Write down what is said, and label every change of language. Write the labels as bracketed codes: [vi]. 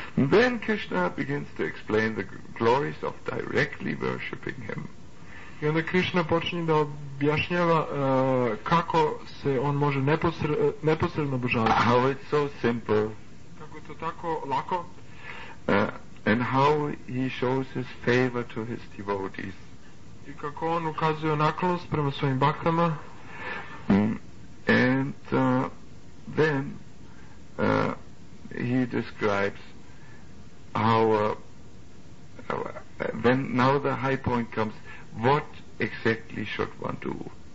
[en] Then Krishna begins to explain the glories of directly worshipping him. [sr] I onda Krishna počinje da objašnjava kako se on može neposredno obožavati. [en] How it's so simple. [sr] Kako je to tako lako. [en] And how he shows his favor to his devotees. [sr] I kako on ukazuje naklonost prema svojim baktama. [en] And then he describes how when now the high point comes, what exactly should one do?